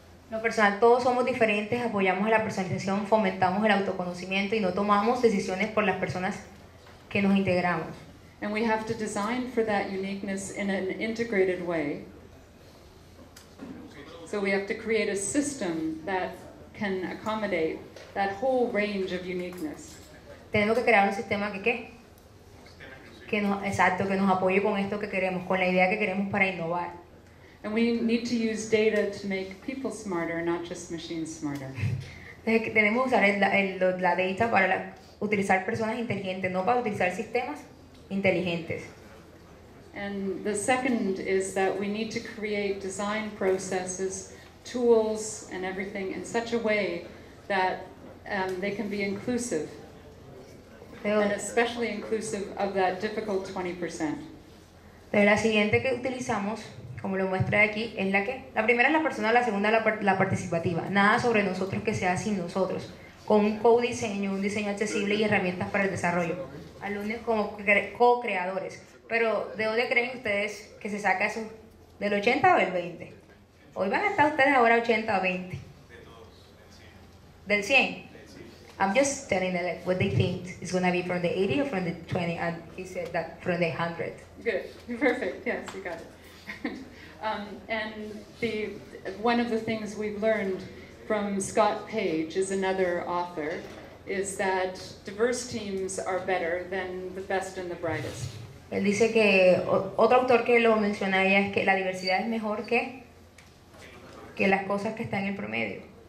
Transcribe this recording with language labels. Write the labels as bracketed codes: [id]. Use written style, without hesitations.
[es] Lo personal, todos somos diferentes, apoyamos a la personalización, fomentamos el autoconocimiento y no tomamos decisiones por las personas que nos integramos. [en] And we have to design for that uniqueness in an integrated way. So we have to create a system that can accommodate that whole range of uniqueness. [es] Tenemos que crear un sistema que ¿qué? Que nos apoye con esto que queremos, con la idea que queremos para innovar. [en] And we need to use data to make people smarter, not just machines smarter. [es] Tenemos que usar la data para utilizar personas inteligentes, no para utilizar sistemas inteligentes. [en] And the second is that we need to create design processes, tools, and everything in such a way that they can be inclusive. And especially inclusive of that difficult 20%. [es] Pero la siguiente que utilizamos, como lo muestra aquí, es la que la primera es la persona, la segunda la participativa. Nada sobre nosotros que sea sin nosotros. Con un co-diseño, un diseño accesible y herramientas para el desarrollo. Alumnos como co-creadores. Pero ¿de dónde creen ustedes que se saca eso? ¿Del 80 o del 20? Hoy van a estar ustedes ahora 80 o 20. Del 100. [en] I'm just telling them like, what they think is going to be from the 80 or from the 20, and he said that from the 100. Good, perfect, yes, you got it. and the one of the things we've learned from Scott Page, is another author, is that diverse teams are better than the best and the brightest. [es] Él dice que, otro autor que lo menciona ella es que la diversidad es mejor que las cosas que están en el promedio.